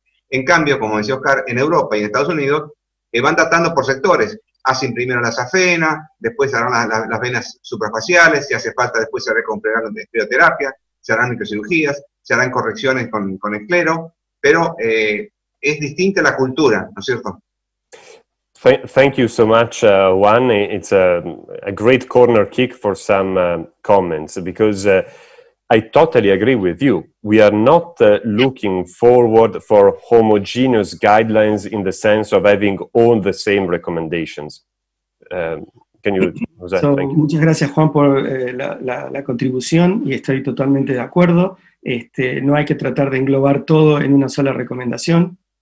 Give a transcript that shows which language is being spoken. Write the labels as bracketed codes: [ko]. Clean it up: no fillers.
[es] En cambio, como decía Oscar, en Europa y en Estados Unidos, van tratando por sectores. Hacen primero la safena, después harán las venas superfaciales, si hace falta después se recomprarán la escleroterapia, se harán microcirugías, se harán correcciones con esclero, pero es distinta la cultura, ¿no es cierto? [en] Thank you so much, Juan. It's a great corner kick for some comments, because I totally agree with you. We are not looking forward for homogeneous guidelines in the sense of having all the same recommendations. Can you? José, so, thank you. [es] Muchas gracias, Juan, por la contribución, y estoy totalmente de acuerdo. No hay que tratar de englobar todo en una sola recomendación.